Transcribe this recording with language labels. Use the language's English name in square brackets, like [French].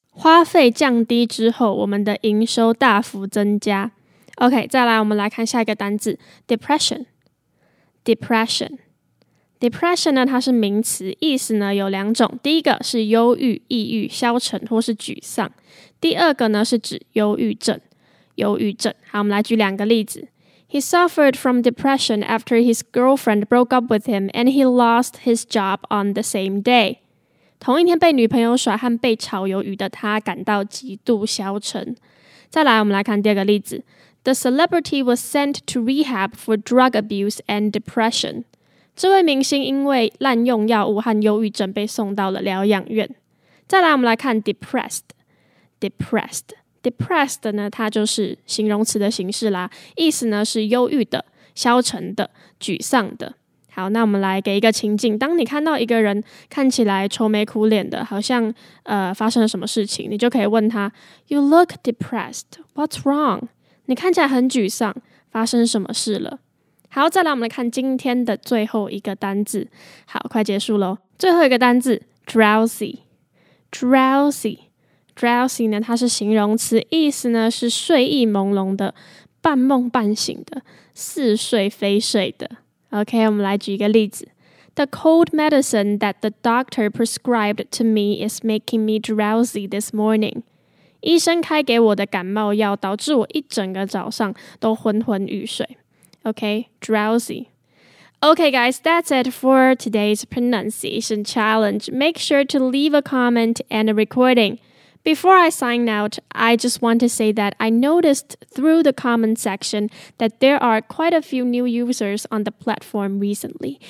[Chinese] 花费降低之后，我们的营收大幅增加。 OK, 再来我们来看下一个单字 ,depression. Depression 呢，它是名词，意思呢有两种。第一个是忧郁、抑郁、消沉或是沮丧。第二个呢是指忧郁症。好，我们来举两个例子。 [English] He suffered from depression after his girlfriend broke up with him and he lost his job on the same day. [Chinese] 同一天被女朋友甩和被炒鱿鱼的他感到极度消沉。再来我们来看第二个例子。 [English] The celebrity was sent to rehab for drug abuse and depression. [Chinese] 这位明星因为滥用药物和忧郁症被送到了疗养院。再来我们来看 depressed。Depressed 呢，它就是形容词的形式啦，意思呢是忧郁的、消沉的、沮丧的。好，那我们来给一个情境，当你看到一个人看起来愁眉苦脸的，好像发生了什么事情，你就可以问他 ： [English] You look depressed. What's wrong? [Chinese] 你看起来很沮丧，发生什么事了？好，再来我们来看今天的最后一个单字。好，快结束喽，最后一个单字 drowsy， drowsy。 Drowsy 呢，它是形容词，意思呢是睡意朦胧的、半梦半醒的、似睡非睡的。 [English] OK， [Chinese] 我们来举一个例子 [English] ：The cold medicine that the doctor prescribed to me is making me drowsy this morning. [Chinese] 医生开给我的感冒药导致我一整个早上都昏昏欲睡。 [English] OK， drowsy。 Okay guys, that's it for today's pronunciation challenge. Make sure to leave a comment and a recording. Before I sign out, I just want to say that I noticed through the comment section that there are quite a few new users on the platform recently.